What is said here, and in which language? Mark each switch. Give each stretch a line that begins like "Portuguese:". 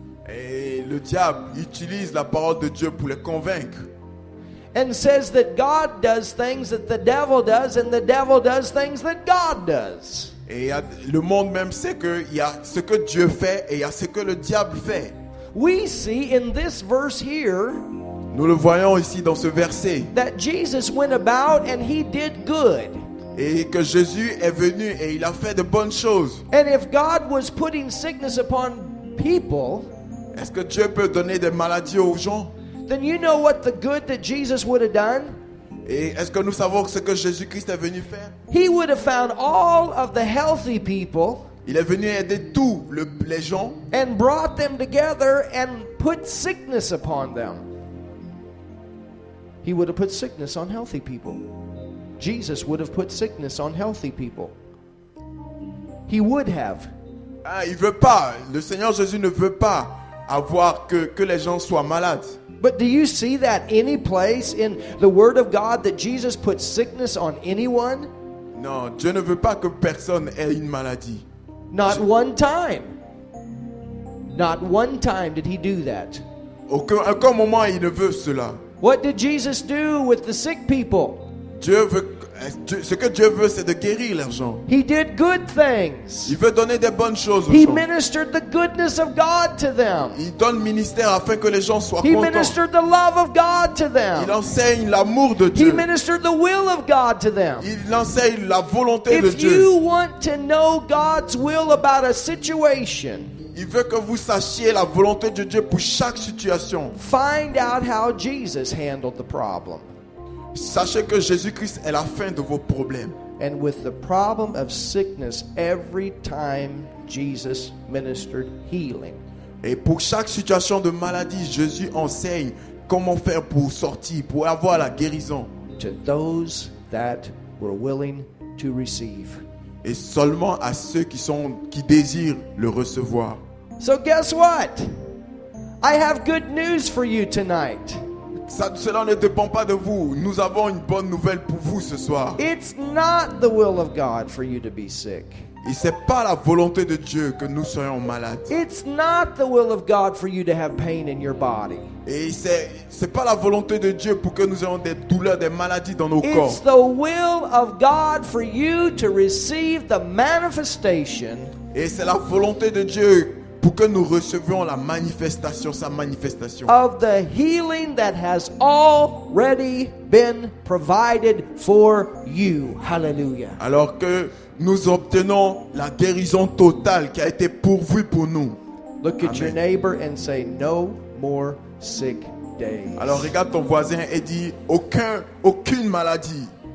French: Et le diable utilise la parole de Dieu pour les convaincre.
English: And says that God does things that the devil does, and the devil does things that God does.
French: Et le monde même sait qu'il y a ce que Dieu fait et il y a ce que le diable fait.
English: We see in this verse here.
French: Nous le voyons ici dans ce verset.
English: That Jesus went about and he did good.
French: Et que Jésus est venu et il a fait de bonnes choses.
English: And if God was putting sickness upon people,
French: est-ce que Dieu peut donner des maladies aux gens?
English: Then you know what the good that Jesus would have done?
French: Et est-ce que nous savons ce que Jésus-Christ est venu faire?
English: He would have found all of the healthy people.
French: Il est venu aider tous les gens.
English: And brought them together and put sickness upon them. He would have put sickness on healthy people. Jesus would have put sickness on healthy people. He would have.
French: Ah, il veut pas. Le Seigneur Jésus ne veut pas avoir que les gens soient malades.
English: But do you see that any place in the Word of God that Jesus put sickness on anyone?
French: Non, Dieu ne veut pas que personne ait une maladie.
English: Not one time. Not one time did he do that.
French: Aucun moment il ne veut cela.
English: What did Jesus do with the sick people?
French: Ce que Dieu veut, c'est de guérir les gens.
English: He did good things.
French: Il veut donner des bonnes choses.
English: He
French: aux gens.
English: Ministered the goodness of God to them.
French: Il donne ministère afin que les gens soient
English: he
French: contents.
English: He ministered the love of God to them.
French: Il enseigne l'amour de Dieu.
English: He ministered the will of God to them.
French: Il enseigne la volonté
English: if
French: de Dieu.
English: If you want to know God's will about a situation,
French: il veut que vous sachiez la volonté de Dieu pour chaque situation.
English: Find out how Jesus handled the problem.
French: Sachez que Jésus-Christ est la fin de vos problèmes.
English: And with the problem of sickness, every time Jesus ministered healing.
French: Et pour chaque situation de maladie, Jésus enseigne comment faire pour sortir, pour avoir la guérison.
English: To those that were willing to receive.
French: Et seulement à ceux qui désirent le recevoir.
English: So guess what? I have good news for you tonight.
French: Cela ne dépend pas de vous. Nous avons une bonne nouvelle pour vous ce soir.
English: It's not the will of God for you to be sick.
French: Et c'est pas la volonté de Dieu que nous soyons malades.
English: It's not the will of God for you to have pain in your body.
French: Et c'est pas la volonté de Dieu pour que nous ayons des douleurs, des maladies dans nos
English: it's
French: corps.
English: It's the will of God for you to receive the manifestation.
French: Et c'est la volonté de Dieu pour que nous recevions la manifestation, sa manifestation.
English: Of the healing that has already been provided for you. Hallelujah.
French: Alors que nous obtenons la guérison totale qui a été pourvue pour nous.
English: Look at your neighbor and say, no more sick days.
French: Alors regarde ton voisin et dis, aucune maladie.